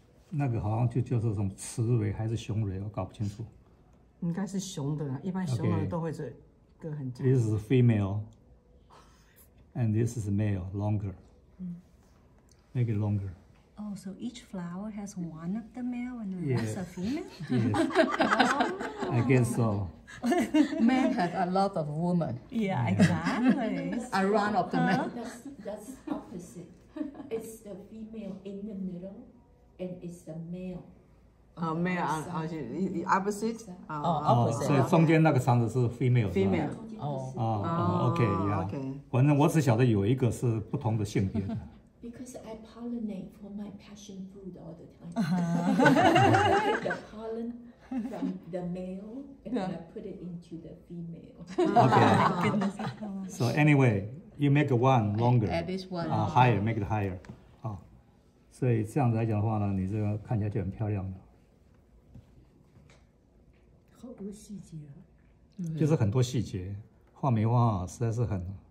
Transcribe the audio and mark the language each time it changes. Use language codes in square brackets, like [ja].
[zh] 那个好像就叫做什么雌蕊还是雄蕊，我搞不清楚。应该是雄的，一般雄的都会这个很长。 [en] This is female, and this is male, longer. Make it longer. Oh, so each flower has one of the male and the rest of female? Yes. Oh. I guess so. Men have a lot of women. Yeah, exactly. Around of the men. That's opposite. It's the female in the middle, and it's the male. Opposite. [zh] 所以中间那个长的是 [en] female [zh] 是吧？ [en] Okay. [zh] 反正我只晓得有一个是不同的性别的。 [en] Because I pollinate for my passion fruit all the time. I take the pollen from the male and then I put it into the female. So anyway, you make one longer. At this one. Higher, make it higher. [zh] 所以这样子来讲的话呢，你这个看起来就很漂亮了。好多细节啊。就是很多细节，画眉画实在是很。